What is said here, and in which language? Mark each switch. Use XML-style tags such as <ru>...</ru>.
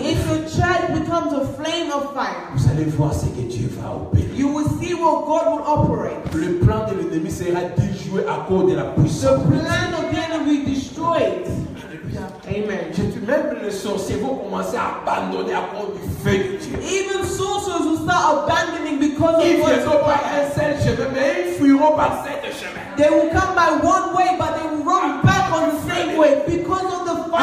<en>if your church becomes a flame of fire,</en> <fr>vous allez voir ce que Dieu va opérer.</fr> <en>You will see what God will operate.</en> <fr>Le plan de l'ennemi sera déjoué à cause de la puissance.</fr> <en>The plan of the enemy will be destroyed. Amen.</en> <fr>Même les sorciers vont commencer à abandonner à cause du feu de Dieu.</fr> <en>Even sorcerers will start abandoning because</en> <fr>ils Ils ne viendront pas un seul chemin, mais ils fuiront par sept chemins.</fr> <en>They will come by one way, but they will run back on the same way because of the fire.</en>